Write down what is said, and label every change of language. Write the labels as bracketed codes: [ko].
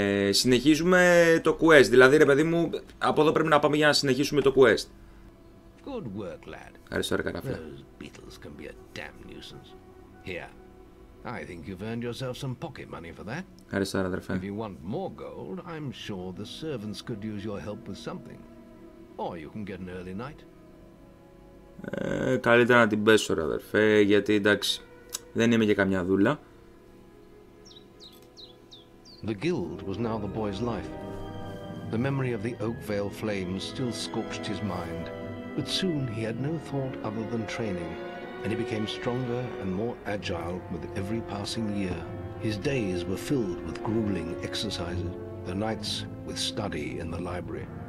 [el] Συνεχίζουμε το quest. Δηλαδή ρε παιδί μου, από εδώ πρέπει να πάμε για να συνεχίσουμε το quest. [en] Good work, lad. [el] Ευχαριστώ ρε καράφλα. [en] Those beetles can be a damn nuisance. Here, I think you've earned yourself some pocket money for that. [el] Ευχαριστώ ρε αδερφέ. [en] If you want more gold, I'm sure the servants could use your help with something. Or you can get an early night. [el] Καλύτερα να την πέσω ρε αδερφέ, γιατί εντάξει, δεν είμαι και καμιά δούλα. [en] The guild was now the boy's life. The memory of the Oakvale flames still scorched his mind, but soon he had no thought other than training, and he became stronger and more agile with every passing year. His days were filled with grueling exercises, the nights with study in the library.